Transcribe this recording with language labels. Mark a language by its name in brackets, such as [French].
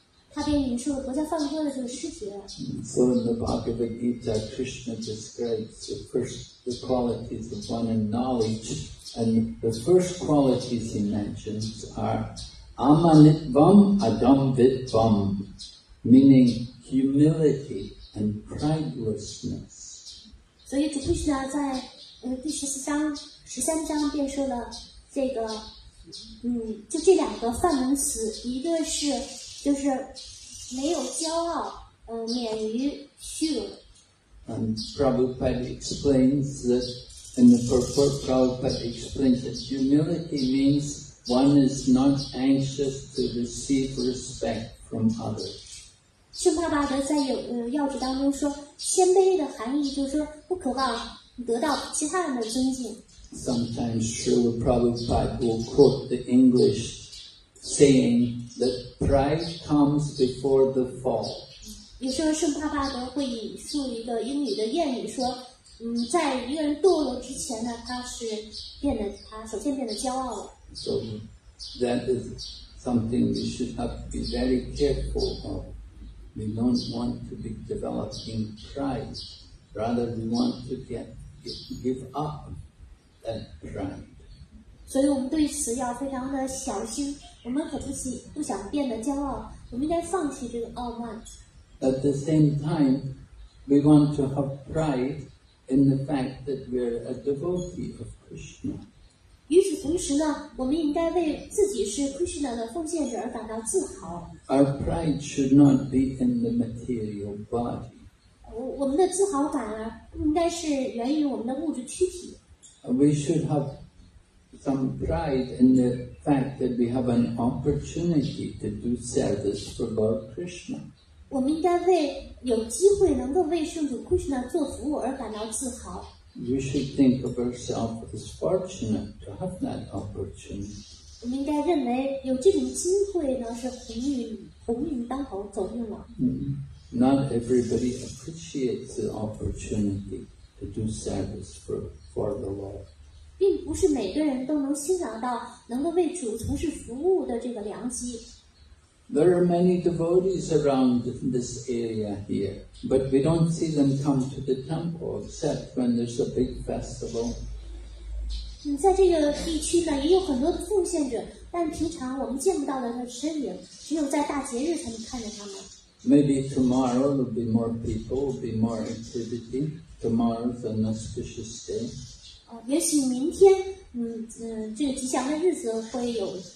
[Chinese] 他便引述了佛家梵歌的这个诗节。 [English] So in the Bhagavad Gita, Krishna describes the first the qualities of one in knowledge. And the first qualities he mentions are amanitvam adambitvam, meaning humility and pridelessness. [Chinese] 所以主 Krishna 在第十四章、十三章便说了这个，就这两个梵文词，一个是就是没有骄傲，免于虚荣。 [English] And Prabhupada explains that. And the purport Prabhupada explains that humility means one is not anxious to receive respect from others. [Chinese] 圣帕巴德在要旨当中说，谦卑的含义就是说不渴望得到其他人的尊敬。 [English] Sometimes Srila Prabhupada will quote the English saying that pride comes before the fall. [Chinese] 有时候圣帕巴德会引述一个英语的谚语说。在一个人堕落之前呢，他首先变得骄傲了。 [English] So that is something we should have to be very careful of. We don't want to be developing pride. Rather, we want to give up that pride. [Chinese] 所以我们对此要非常的小心。我们可不想变得骄傲，我们应该放弃这个傲慢。 [English] At the same time, we want to have pride. In the fact that we are a devotee of Krishna. [Chinese] 与此同时呢，我们应该为自己是 Krishna 的奉献者而感到自豪。 [English] Our pride should not be in the material body. [Chinese] 我们的自豪感啊，应该是源于我们的物质躯体。 [English] We should have some pride in the fact that we have an opportunity to do service for Lord Krishna. [Chinese] 我们应该为有机会能够为圣主 Krishna 做服务而感到自豪。 [English] We should think of ourselves as fortunate to have that opportunity. [Chinese] 我们应该认为有这种机会呢是鸿运当头，走运了。 [English] Not everybody appreciates the opportunity to do service for the Lord. [Chinese] 并不是每个人都能欣赏到能够为主从事服务的这个良机。 [English] There are many devotees around this area here, but we don't see them come to the temple except when there's a big festival. [Chinese] 在这个地区呢，也有很多的奉献者，但平常我们见不到的身影，只有在大节日才能看见他们。 [English] Maybe tomorrow there'll be more people, there'll be more activity. Tomorrow's an auspicious day. [Chinese] 也许明天，这个吉祥的日子会有。